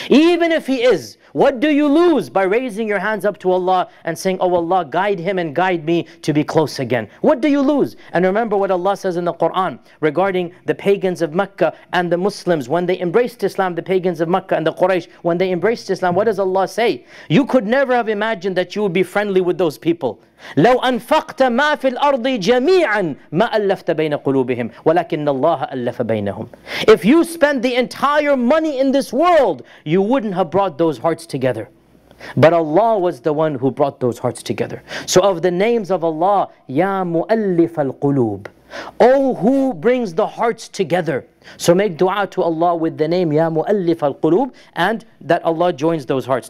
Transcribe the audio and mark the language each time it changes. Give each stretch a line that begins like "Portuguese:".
English: Even if he is, what do you lose by raising your hands up to Allah and saying, oh Allah, guide him and guide me to be close again? What do you lose? And remember what Allah says in the Quran regarding the pagans of Mecca and the Muslims. When they embraced Islam, the pagans of Mecca and the Quraysh, when they embraced Islam, what does Allah say? You could never have imagined that you would be friendly with those people.
Arabic: لو أنفقت ما في الأرض جميعا ما ألفت بين قلوبهم ولكن الله ألف بينهم.
English: If you spend the entire money in this world, you wouldn't have brought those hearts together. But Allah was the one who brought those hearts together. So of the names of Allah,
Arabic: يا مؤلف القلوب,
English: oh who brings the hearts together. So make dua to Allah with the name Ya مؤلف القلوب, and that Allah joins those hearts.